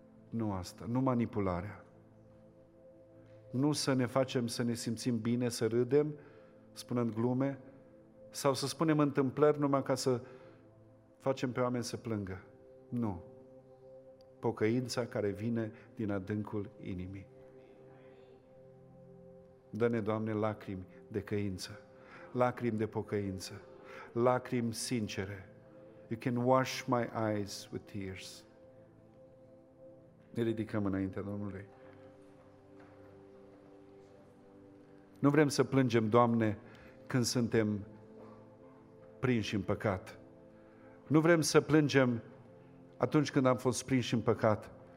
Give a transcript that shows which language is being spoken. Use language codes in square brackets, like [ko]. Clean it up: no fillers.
[ro] Nu asta, nu manipularea. Nu să ne facem să ne simțim bine, să râdem, spunând glume, sau să spunem întâmplări numai ca să facem pe oameni să plângă. Nu. Pocăința care vine din adâncul inimii. Dă-ne, Doamne, lacrimi de căință, lacrimi de pocăință, lacrimi sincere. [en] You can wash my eyes with tears. [ro] Ne ridicăm înaintea Domnului. Nu vrem să plângem, Doamne, când suntem prinși în păcat. Nu vrem să plângem atunci când am fost prinși în păcat.